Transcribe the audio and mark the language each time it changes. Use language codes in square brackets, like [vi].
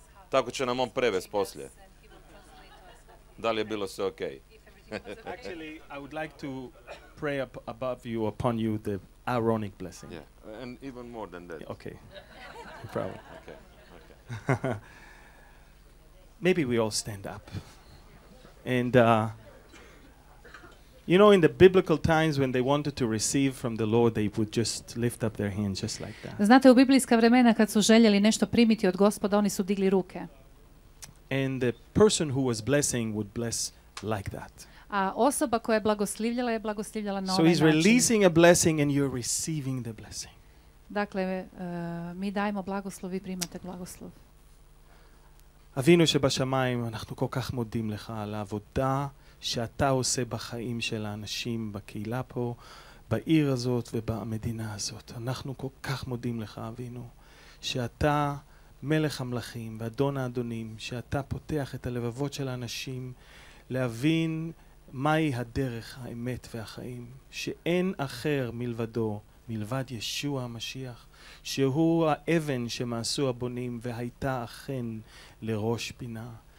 [hr] Tako će nam on prevesti poslije. Da li je bilo sve okej? [en] Actually, I would like to pray up above you, upon you, the Aaronic blessing. Yeah, and even more than that. Okay, no problem. Okay. Maybe we all stand up. And you know, in the biblical times when they wanted to receive from the Lord, they would just lift up their hands just like that. [hr] Znate, u biblijska vremena kad su željeli nešto primiti od Gospoda, oni su digli ruke. [en] And the person who was blessing would bless like that. [hr] A osoba koja je blagoslivljala na ovaj način. [en] So he's releasing a blessing and you're receiving the blessing. [hr] Dakle, mi dajemo blagoslov, vi primate blagoslov. [he] אבינו שבשמיים, אנחנו כל כך מודים לך על העבודה שאתה עושה בחיים של האנשים בקהילה פה, בעיר הזאת ובמדינה הזאת. אנחנו כל כך מודים לך, אבינו, שאתה מלך המלכים ואדון האדונים, שאתה פותח את הלבבות של האנשים להבין מהי הדרך, האמת והחיים, שאין אחר מלבדו, מלבד ישוע המשיח, שהוא האבן שמעשו הבונים והייתה אכן לראש פינה.